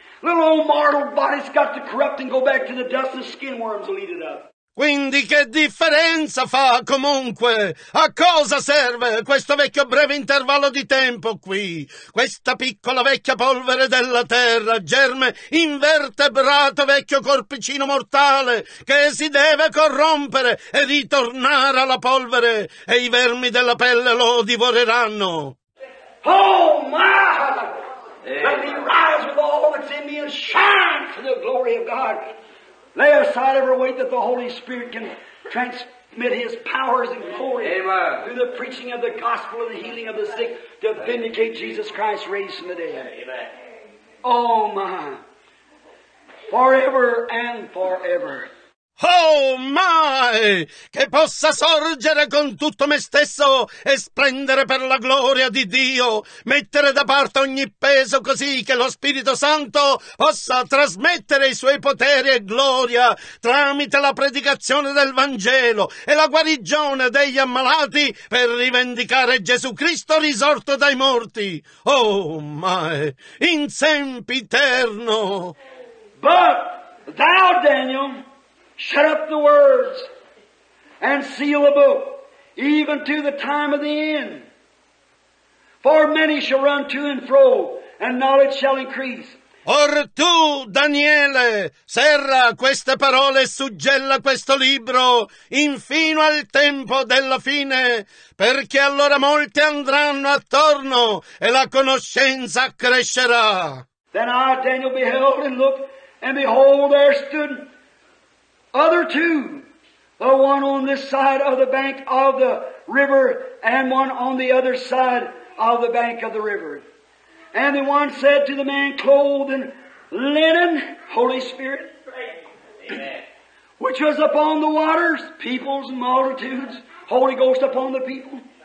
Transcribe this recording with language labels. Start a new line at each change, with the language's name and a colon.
English: Little old mortal body's got to corrupt and go back to the dust, and skin worms will eat it up.
Italian: Quindi che differenza fa comunque? A cosa serve questo vecchio breve intervallo di tempo qui? Questa piccola vecchia polvere della terra, germe invertebrato vecchio corpicino mortale che si deve corrompere e ritornare alla polvere e i vermi della pelle lo divoreranno.
English: Oh my! Let me rise with all that's in me and shine for the glory of God. Lay aside every weight that the Holy Spirit can transmit His powers and glory. Amen. Through the preaching of the gospel and the healing of the sick to vindicate Jesus Christ raised from the dead. Amen. Oh my. Forever and forever. Oh my!
Italian: Che possa sorgere con tutto me stesso e splendere per la gloria di Dio, mettere da parte ogni peso così che lo Spirito Santo possa trasmettere i suoi poteri e gloria tramite la predicazione del Vangelo e la guarigione degli ammalati per rivendicare Gesù Cristo risorto dai morti.
English: Oh my!
Italian: In sempiterno!
English: But thou, Daniel, shut up the words and seal the book, even to the time of the end. For many shall run to and fro, and knowledge shall increase.
Italian: Or tu, Daniele, serra queste parole e suggella questo libro infino al tempo della fine, perché allora molti andranno attorno e la conoscenza crescerà.
English: Then I, Daniel, beheld and looked, and behold, there stood other two, the one on this side of the bank of the river, and one on the other side of the bank of the river. And the one said to the man clothed in linen, Holy Spirit, which was upon the waters, peoples and multitudes, Holy Ghost upon the people.